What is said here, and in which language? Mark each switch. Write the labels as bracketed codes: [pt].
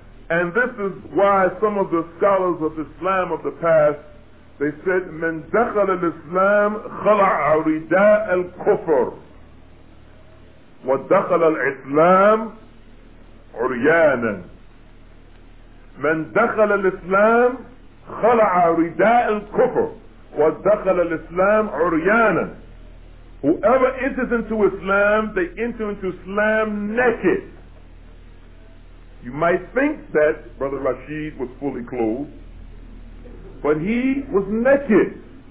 [en] And this is why some of the scholars of Islam of the past, they said, [ar] من دخل الإسلام خلع رداء الكفر ودخل الإسلام عريانا. من دخل الإسلام خلع رداء الكفر ودخل الإسلام عريانا. [en] Whoever enters into Islam, they enter into Islam naked. You might think that Brother Rashid was fully clothed, But he was naked.